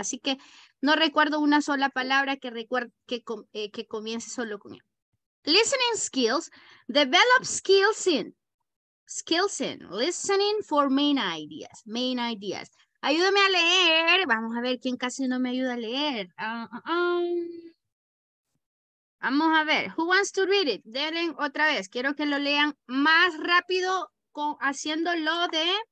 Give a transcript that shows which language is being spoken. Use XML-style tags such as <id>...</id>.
<es>Así que no recuerdo una sola palabra que comience solo con E.</es> <en>Listening skills, develop skills in, listening for main ideas.</en> <es>Ayúdame a leer, vamos a ver quién casi no me ayuda a leer. Vamos a ver,</es> <en>who wants to read it?</en> <es>Denle otra vez, quiero que lo lean más rápido haciendo lo de...</es>